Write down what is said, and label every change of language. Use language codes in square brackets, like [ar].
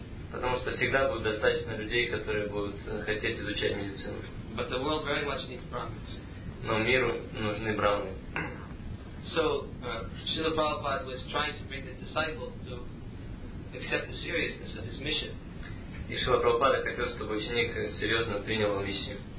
[ru] Потому что всегда будет достаточно людей, которые будут хотеть изучать медицину. [en] But the world very much needs Brahmins. [ru] Но миру нужны брахманы. [en] So, Шрила Прабхупада was trying to bring the disciple to accept the seriousness of his mission. [ru] И Шрила Прабхупада хотел, чтобы ученик серьезно принял миссию.